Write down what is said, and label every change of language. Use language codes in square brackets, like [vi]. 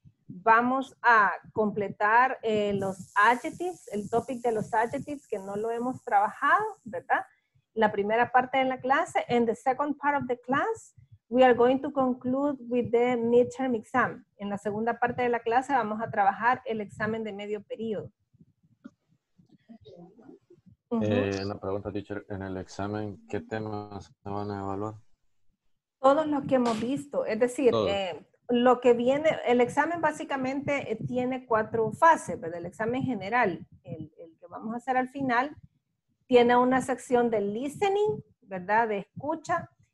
[es] Vamos a completar los adjectives, el topic de los adjectives que no lo hemos trabajado, ¿verdad? La primera parte de la clase. [en] In the second part of the class, we are going to conclude with the midterm exam. [es] En la segunda parte de la clase vamos a trabajar el examen de medio periodo. Una pregunta, teacher. En el examen, ¿qué temas se van a evaluar? Todos los que hemos visto. Es decir, lo que viene, el examen básicamente tiene cuatro fases, pero el examen general, el que vamos a hacer al final, tiene una sección de listening, ¿verdad? De escucha.